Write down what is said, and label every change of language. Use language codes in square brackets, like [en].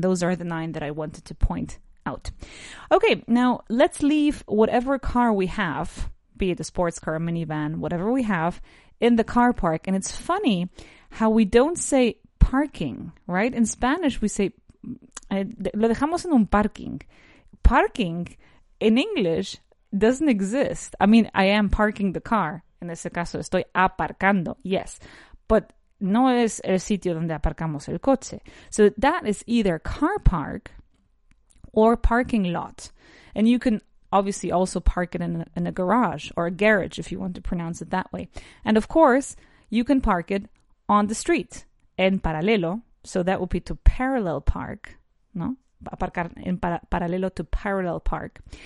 [en] Those are the 9 that I wanted to point out. Okay, now let's leave whatever car we have, be it a sports car, a minivan, whatever we have, in the car park. And it's funny how we don't say parking, right? In Spanish, we say, [es] lo dejamos en un parking. [en] Parking, in English, doesn't exist. I mean, I am parking the car. [es] En ese caso, estoy aparcando, [en] yes. But [es] no es el sitio donde aparcamos el coche. [en] So that is either car park or parking lot. And you can obviously also park it in a garage or a garage if you want to pronounce it that way. And of course, you can park it on the street, [es] en paralelo. [en] So that would be to parallel park, no? [es] Aparcar en paralelo [en] to parallel park.